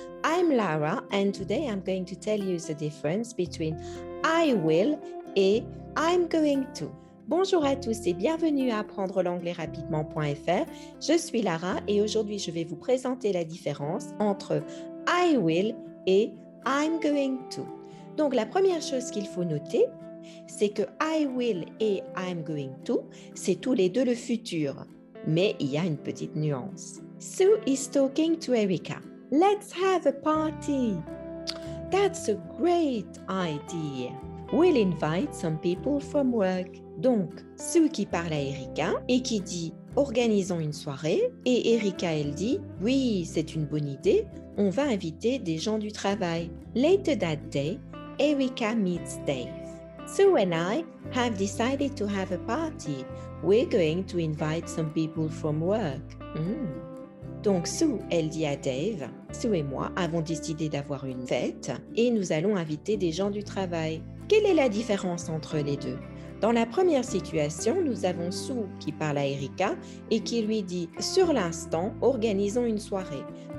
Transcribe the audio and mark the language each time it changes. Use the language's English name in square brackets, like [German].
[English] I'm Lara and today I'm going to tell you the difference between I will et I'm going to. [French] Bonjour à tous et bienvenue à apprendrelanglaisrapidement.fr. Je suis Lara et aujourd'hui je vais vous présenter la différence entre [English] I will [French] et [English] I'm going to. [French] Donc la première chose qu'il faut noter, c'est que [English] I will [French] et [English] I'm going to, [French] c'est tous les deux le futur. Mais il y a une petite nuance. [English] Sue is talking to Erica. Let's have a party. That's a great idea. We'll invite some people from work. [French] Donc, Sue qui parle à Erica et qui dit « Organisons une soirée » et Erica, elle dit « Oui, c'est une bonne idée, on va inviter des gens du travail. » [English] Later that day, Erica meets Dave. Sue and I have decided to have a party. We're going to invite some people from work. [French] Donc Sue, elle dit à Dave, Sue et moi avons décidé d'avoir une fête et nous allons inviter des gens du travail. Quelle est la différence entre les deux? Dans la première situation, nous avons Sue qui parle à Erica et qui lui dit « Sur l'instant, organisons une soirée ».